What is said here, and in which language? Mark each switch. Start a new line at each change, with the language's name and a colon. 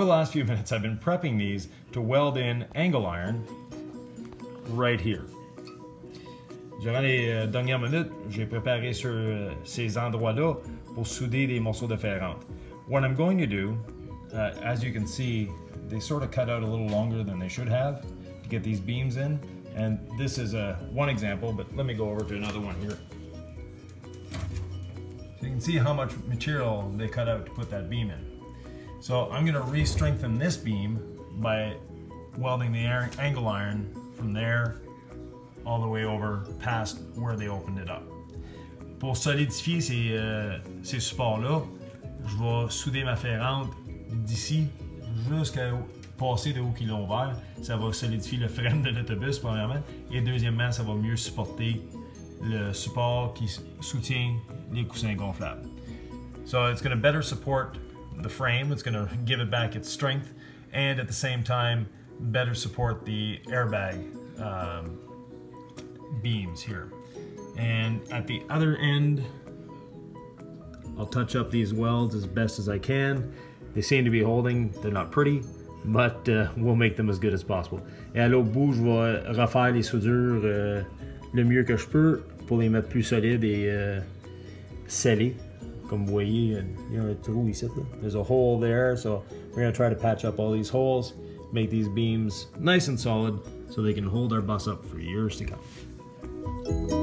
English: Few minutes I've been prepping these to weld in angle iron right here.
French: Durant les dernières minutes, j'ai préparé sur ces endroits-là pour souder des morceaux de fer entre.
English: What I'm going to do, as you can see, they sort of cut out a little longer than they should have to get these beams in, and this is one example, but let me go over to another one here. So you can see how much material they cut out to put that beam in. So I'm going to re-strengthen this beam by welding the angle iron from there all the way over past where they opened it up.
French: Pour solidifier ces supports-là, je vais souder ma ferrante d'ici jusqu'à passer de haut qu'ils l'ont ouvert. Ça va solidifier le frame de l'autobus premièrement, et deuxièmement, ça va mieux supporter le support qui soutient les coussins gonflables.
English: So it's going to better support the frame, it's going to give it back its strength, and at the same time better support the airbag beams here. And at the other end, I'll touch up these welds as best as I can. They seem to be holding, they're not pretty, but we'll make them as good as possible.
French: Et à l'autre bout, je vais refaire les soudures le mieux que je peux pour les mettre plus solides et scellés. Comme vous voyez, il y a un trou ici.
English: There's a hole there, so we're gonna try to patch up all these holes, make these beams nice and solid, so they can hold our bus up for years to come.